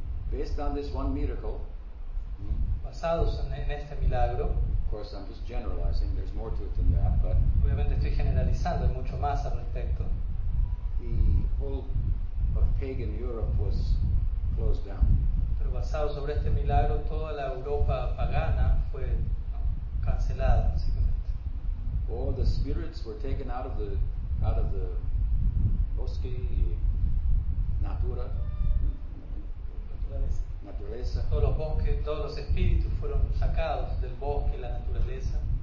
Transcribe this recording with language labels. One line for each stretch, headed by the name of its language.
English: Based on this one miracle,
Spanish: basados en este milagro.
English: Of course, I'm just generalizing. There's more to it than that, but
Spanish: obviamente estoy generalizando, hay mucho más al respecto.
English: The whole of pagan Europe was closed down.
Spanish: Pero basado sobre este milagro, toda la Europa pagana fue cancelada, básicamente.
English: All the spirits were taken out of the
Spanish: bosque y natura. Naturaleza. Todos los bosques, todos los espíritus fueron sacados del bosque y la naturaleza.